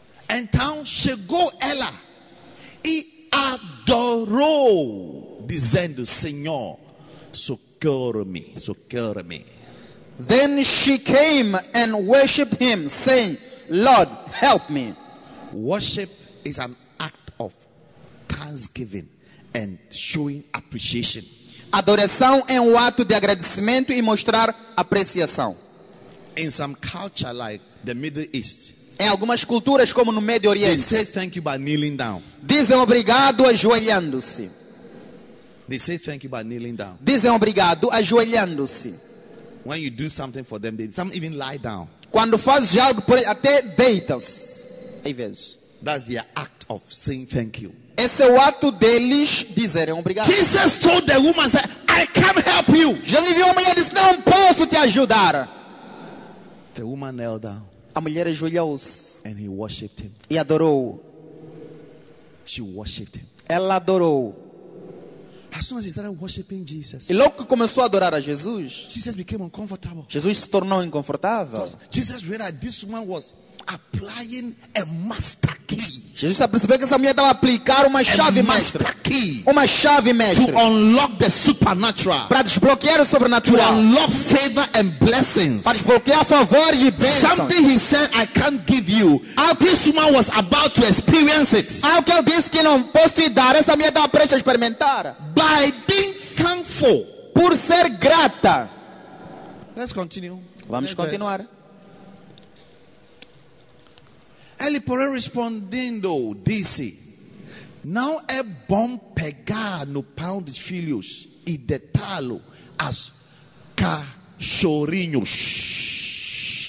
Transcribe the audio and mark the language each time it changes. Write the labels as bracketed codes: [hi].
[pt] Então chegou ela e adorou, dizendo, Senhor, socorro-me, socorro-me. [en] Then she came and worshipped him, saying, Lord, help me. Worship is an act of thanksgiving and showing appreciation. [pt] Adoração é um ato de agradecimento e mostrar apreciação. [en] In some culture like the Middle East, [pt] em algumas culturas como no Médio Oriente, [en] they say thank you by kneeling down. [pt] Dizem obrigado ajoelhando-se. [en] They say thank you by kneeling down. [pt] Dizem obrigado ajoelhando-se. [en] When you do something for them, some even lie down. [pt] Quando fazes algo por eles, até deitam-se. Às vezes. [en] That's their act of saying thank you. [pt] Esse é o ato deles dizerem obrigado. [en] Jesus told the woman, I can't help you. [pt] Jesus viu a mulher e disse, não posso te ajudar. [en] The woman knelt down. [pt] A mulher ajoelhou-se. [en] And he worshipped him. [pt] E adorou. [en] She worshipped him. [pt] Ela adorou. [en] As soon as he started worshipping Jesus. [pt] E logo que começou a adorar a Jesus. [en] Jesus became uncomfortable. [pt] Jesus se tornou inconfortável. [en] Because Jesus realized this woman was applying a master key. [pt] Jesus percebeu que essa mulher estava a aplicar uma chave mestra. Uma chave mestra. [en] To unlock the supernatural. [pt] Para desbloquear o sobrenatural. [en] To unlock favor and blessings. [pt] Para desbloquear favor e bênção. [en] Something he said, I can't give you. How this woman was about to experience it. [pt] Algo que eu disse que não posso te dar. Essa mulher estava prestes a experimentar. [en] By being thankful. [pt] Por ser grata. [en] Let's continue. [pt] Vamos continuar. Ele porém respondendo disse: Não é bom pegar no pão dos filhos e detá-lo aos cachorrinhos.